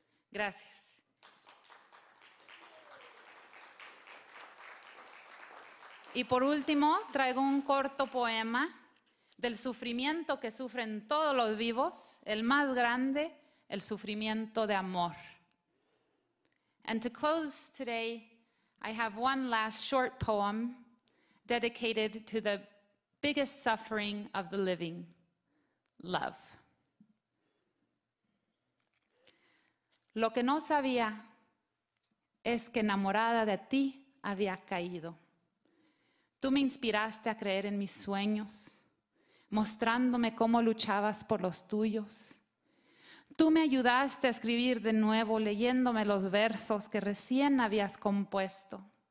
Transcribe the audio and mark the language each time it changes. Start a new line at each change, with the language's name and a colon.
Spanish: Gracias. Y por último, traigo un corto poema del sufrimiento que sufren todos los vivos, el más grande, el sufrimiento de amor.
English: And to close today, I have one last short poem dedicated to the biggest suffering of the living, love.
Spanish: Lo que no sabía es que enamorada de ti había caído. Tú me inspiraste a creer en mis sueños, mostrándome cómo luchabas por los tuyos. Tú me ayudaste a escribir de nuevo, leyéndome los versos que recién habías compuesto.